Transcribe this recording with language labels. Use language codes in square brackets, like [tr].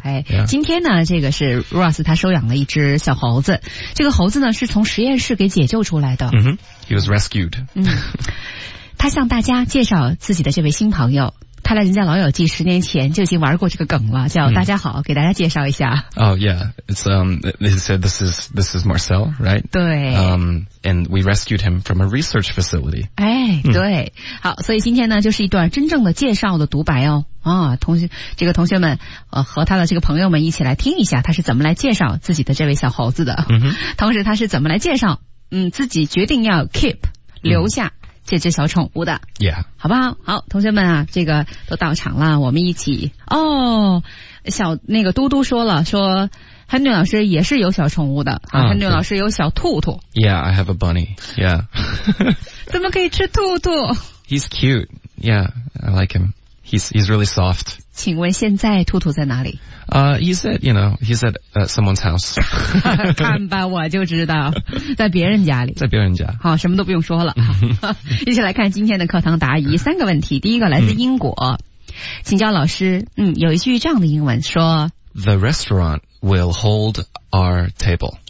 [zh] 哎、yeah. 今天呢这个是 Ross 他收养了一只小猴子。这个猴子呢是从实验室给解救出来的。 [en] He was rescued. [zh] 他向大家介绍自己的这位新朋友。看来人家老友记十年前就已经玩过这个梗了，叫大家好、给大家介绍一下。 [en] Oh, yeah. This is Marcel, right? [zh] 对。 [en] And we rescued him from a research facility. [zh] 哎、对。好，所以今天呢就是一段真正的介绍的独白哦。同学们和他的这个朋友们一起来听一下他是怎么来介绍自己的这位小猴子的。同时他是怎么来介绍自己决定要 keep, 留下。这只小宠物的 [en] ，Yeah， [zh] 好不好？好，同学们啊，这个都到场了，我们一起哦。小那个嘟嘟说了，说 Henry 老师也是有小宠物的啊。 Henry 老师有小兔兔 [en] ，Yeah， I have a bunny， Yeah， [zh] 怎么可以吃兔兔 [en] ？He's cute， Yeah， I like him， He's really soft。 [zh] 请问现在兔兔在哪里？ [en] He said， You know， He said at someone's house 。 [zh] 看吧，我就知道，在别人家里。在别人家。好，什么都不用说了。一起来看今天的课堂答疑，三个问题。第一个来自英国，请教老师。有一句这样的英文说 [en] ：The restaurant will hold our table。